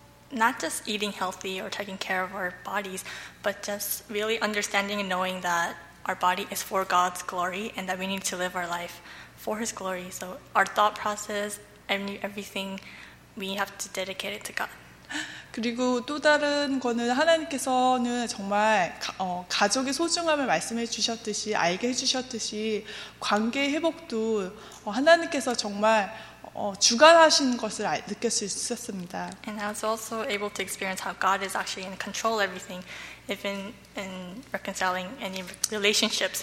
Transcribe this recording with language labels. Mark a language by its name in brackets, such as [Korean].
[English] Not just eating healthy or taking care of our bodies, but just really understanding and knowing that our body is for God's glory and that we need to live our life for His glory. So our thought process, everything, we have to dedicate it to God. [Korean] 그리고 또 다른 거는 하나님께서는 정말 가족의 소중함을 말씀해 주셨듯이 알게 해 주셨듯이 관계 회복도 하나님께서 정말 주관하시는 것을 느낄 수 있었습니다. [English] And I was also able to experience how God is actually in control of everything, even in reconciling any relationships.